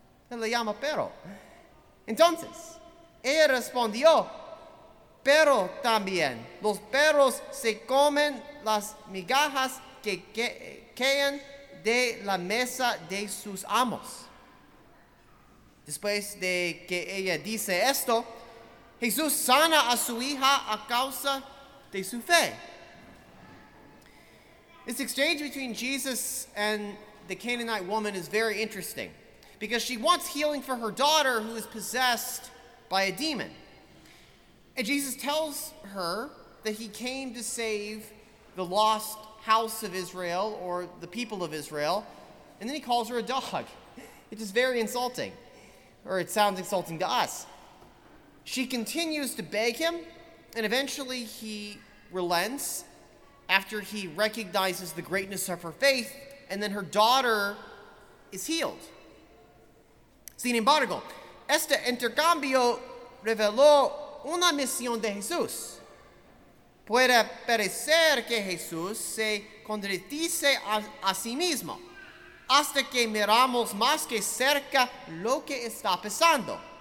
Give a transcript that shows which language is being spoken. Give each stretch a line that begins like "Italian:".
Spanish: Él la llama pero. Entonces, ella respondió, pero también los perros se comen las migajas que caen de la mesa de sus amos. Después de que ella dice esto, Jesús sana a su hija a causa de su fe.
English: This exchange between Jesus and the Canaanite woman is very interesting because she wants healing for her daughter who is possessed by a demon. And Jesus tells her that he came to save the lost house of Israel or the people of Israel. And then he calls her a dog. It is very insulting. Or it sounds insulting to us. She continues to beg him, and eventually he relents after he recognizes the greatness of her faith, and then her daughter is healed.
Spanish: Sin embargo, este intercambio reveló una misión de Jesús. Puede parecer que Jesús se contradice a sí mismo. Hasta que miramos más que cerca lo que está pasando.